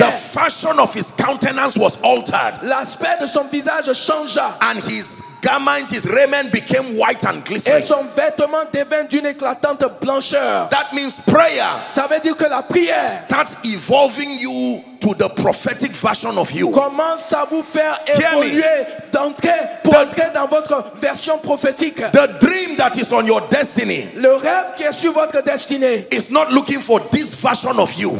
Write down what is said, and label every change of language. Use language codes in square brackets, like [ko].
[en] the fashion of his countenance was altered. [fr] L'aspect de son visage changea. [en] And his garment, his raiment became white and glistening. [fr] Et son vêtement devint d'une éclatante blancheur. [en] That means prayer. [fr] Ça veut dire que la prière [en] starts evolving you to the prophetic version of you. [fr] Commence à vous faire évoluer, d'entrer pour entrer dans votre version prophétique. [en] The dream that is on your destiny. [fr] Le rêve qui est sur votre destinée. [en] Is not looking for this version of you.